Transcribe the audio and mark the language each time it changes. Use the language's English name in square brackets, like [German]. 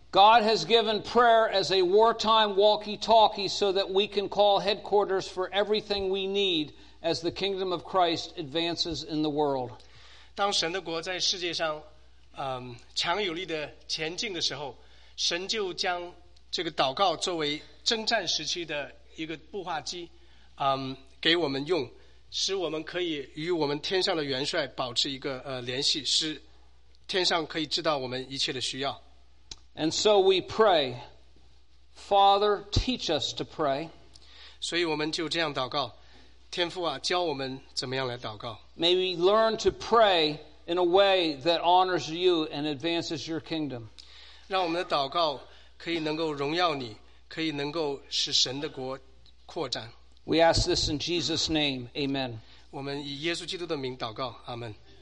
[English] God has given prayer as a wartime walkie-talkie so that we can call headquarters for everything we need as the kingdom of Christ advances in the world. [Chinese] 当神的国在世界上，强有力的前进的时候，神就将这个祷告作为征战时期的一个步话机，给我们用。使我们可以与我们天上的元帅保持一个联系，使天上可以知道我们一切的需要。 [English] And so we pray, Father, teach us to pray. [Chinese] 所以我们就这样祷告，天父啊，教我们怎么样来祷告。 [English] May we learn to pray in a way that honors you and advances your kingdom. [Chinese] 让我们的祷告可以能够荣耀你，可以能够使神的国扩展。 [English] We ask this in Jesus' name. Amen. [Chinese] 我们以耶稣基督的名祷告，阿门。